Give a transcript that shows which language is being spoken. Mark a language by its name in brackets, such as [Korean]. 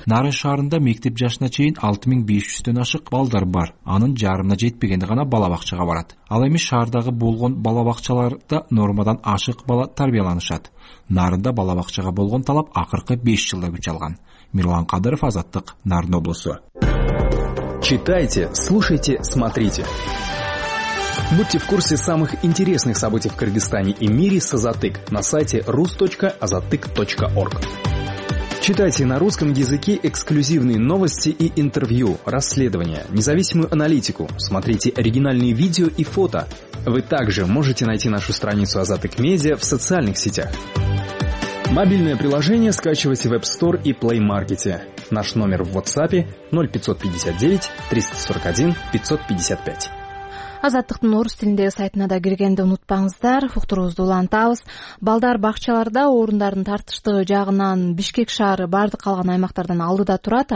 [Kyrgyz] Нары шаарында мектеп жашына чейин 6500 ашык балдар бар, анын жарымына жетпегенде гана бала бакчага барат. Ал эми шаардагы болгон бала бакчаларда нормадан ашык бала тарбияланышат. Нарында бала бакчага болгон талап акыркы 5 жылда күч алган. Мирлан Кадыров, Азаттык, Нарын облусу. [Russian] Читайте, слушайте, смотрите. Будьте в курсе самых интересных событий в Кыргызстане и мире с Азаттык на сайте rus.azattyk.org. Читайте на русском языке эксклюзивные новости и интервью, расследования, независимую аналитику. Смотрите оригинальные видео и фото. Вы также можете найти нашу страницу Азаттык Медиа в социальных сетях. Мобильное приложение скачивайте в App Store и Play Market. Наш номер в WhatsApp 0559-341-555. [Kyrgyz] Азаттыктын орус тилиндеги сайтына да киргенди унутпаңыздар. Уктурубузду улантабыз. Балдар бакчаларда орундардын тартыштыгы жагынан Бишкек шаары бардык калган аймактардан алдыда турат.